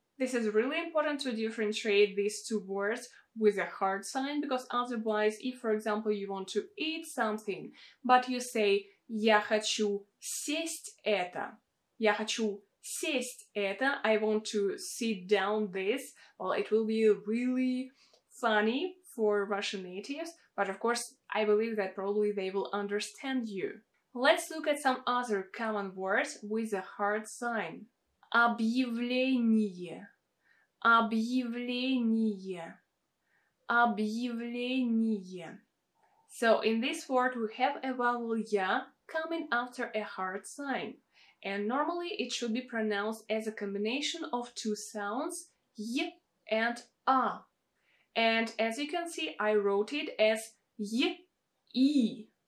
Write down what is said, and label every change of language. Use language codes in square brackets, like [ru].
[en] This is really important to differentiate these two words with a hard sign, because otherwise, if, for example, you want to eat something, but you say [ru] я хочу сесть это, [en] я хочу сесть это, I want to sit down this, well, it will be really funny for Russian natives, but of course, I believe that probably they will understand you. Let's look at some other common words with a hard sign. [ru] Объявление, объявление, объявление. [en] So in this word we have a vowel Я coming after a hard sign, and normally it should be pronounced as a combination of two sounds Y and A. And as you can see, I wrote it as Y, E.